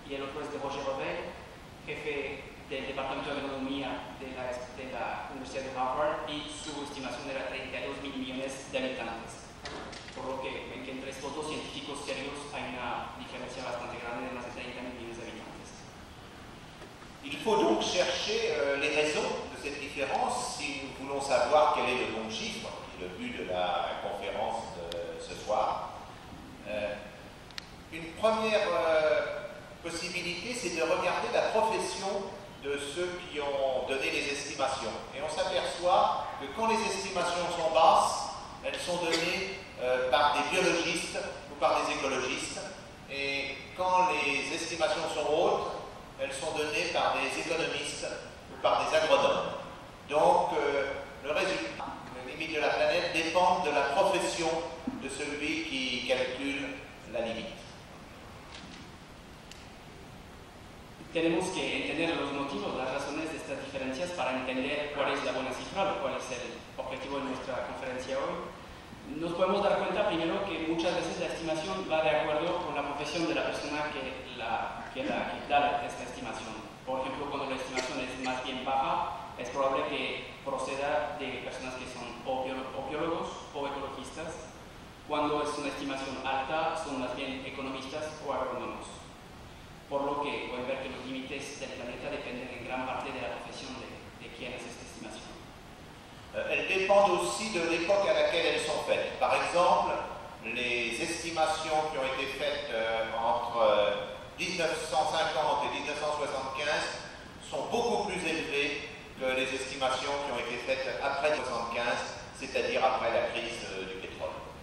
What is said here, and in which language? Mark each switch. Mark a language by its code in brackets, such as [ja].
[es] Y el otro es de Roger Rebel, jefe del Departamento de Agronomía de la Universidad de Harvard, y su estimación era 32 mil millones de habitantes. Por lo que ven que entre estos dos científicos serios hay una diferencia bastante grande de más de 30 mil millones de habitantes. [fr] Il faut donc chercher les raisons de cette différence si nous voulons savoir quel est le bon chiffre, le but de la conférence de ce soir. Une première possibilité, c'est de regarder la profession de ceux qui ont donné les estimations. Et on s'aperçoit que quand les estimations sont basses, elles sont données par des biologistes ou par des écologistes. Et quand les estimations sont hautes, elles sont données par des économistes ou par des agronomes. Donc, le résultat, la limite de la planète, dépend de la profession de celui qui calcule la limite. [es] Tenemos que entender los motivos, las razones de estas diferencias para entender cuál es la buena cifra o cuál es el objetivo de nuestra conferencia hoy. Nos podemos dar cuenta primero que muchas veces la estimación va de acuerdo con la profesión de la persona que da esta estimación. Por ejemplo, cuando la estimación es más bien baja, es probable que proceda de personas que son o biólogos o ecologistas. Cuando es una estimación alta, son más bien economistas o agrónomos. Por lo que pueden ver que los límites del planeta dependen en gran parte de la profesión de quien hace esta estimación. [fr] Elles dépendent aussi de l'époque à laquelle elles sont faites. Par exemple, les estimations qui ont été faites entre 1950 et 1975 sont beaucoup plus élevées que les estimations qui ont été faites après 1975, c'est-à-dire après la crise du pétrole.